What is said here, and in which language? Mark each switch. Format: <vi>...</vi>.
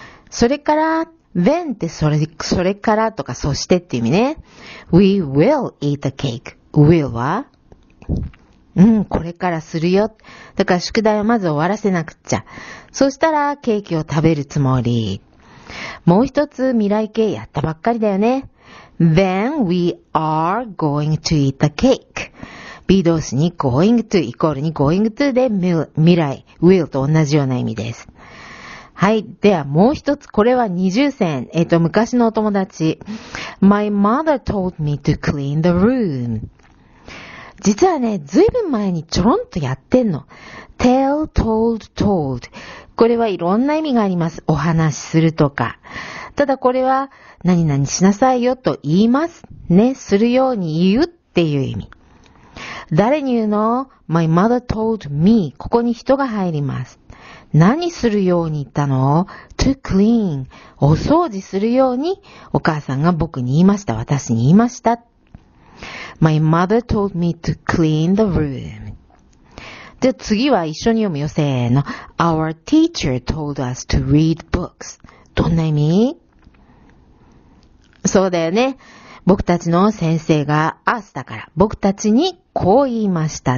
<ja>それから then ってそれからとかそしてって意味ね。</ja> <en>We will eat the cake. Will は?</en> <ja>これからするよ。だから宿題はまず終わらせなくちゃ。そしたらケーキを食べるつもり。もう一つ未来形やったばっかりだよね。</ja> <en>Then we are going to eat the cake.</en> <ja>B 動詞に going to イコールに going to で未来 will と同じような意味です。はい。ではもう一つ、これは二重線。昔のお友達。</ja> <en>My mother told me to clean the room.</en> <ja>実はね、ずいぶん前にちょろんとやってんの。</ja> <en>tell, told, told。</en> <ja>これはいろんな意味があります。お話しするとか。ただこれは、何々しなさいよと言います。ね、するように言うっていう意味。誰に言うの ?</ja> <en>my mother told me。</en> <ja>ここに人が入ります。何するように言ったの ?</ja> <en>to clean。</en> <ja>お掃除するように、お母さんが僕に言いました。私に言いました。</ja> <en>My mother told me to clean the room.</en> <ja>じゃあ次は一緒に読むよ。せーの。</ja> <en>Our teacher told us to read books.</en> <ja>どんな意味?そうだよね。僕たちの先生が us だから、僕たちにこう言いました。</ja>